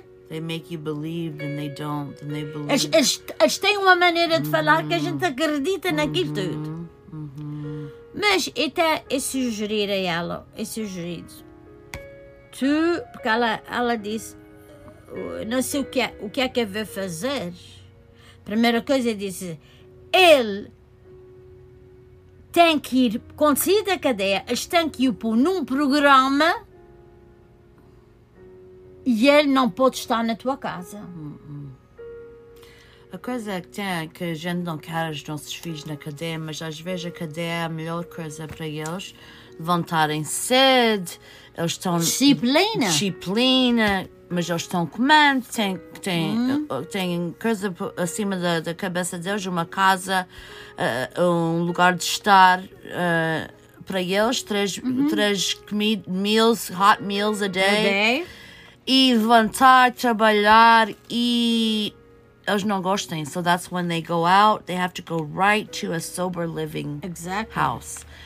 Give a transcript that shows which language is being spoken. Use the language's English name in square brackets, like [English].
[English] they make you believe and they don't, and they believe. [Portuguese] Eles têm uma maneira de falar que a gente acredita naquilo tudo. Mas até eu sugerir a ela, tu, porque ela disse: não sei o que é que eu vou fazer. Primeira coisa, eu disse: ele tem que ir, quando sair da cadeia, eles têm que ir pôr num programa e ele não pode estar na tua casa. A coisa que tem é que a gente não quer os nossos filhos na cadeia, mas às vezes a cadeia é a melhor coisa para eles. Levantarem cedo, eles estão. Disciplina! Disciplina, mas eles estão comendo, têm coisa acima da cabeça deles, uma casa, um lugar de estar para eles, três [English] meals, hot meals a day. [Portuguese] E levantar, trabalhar e. Eles não gostam, [English] so that's when they go out, they have to go right to a sober living house.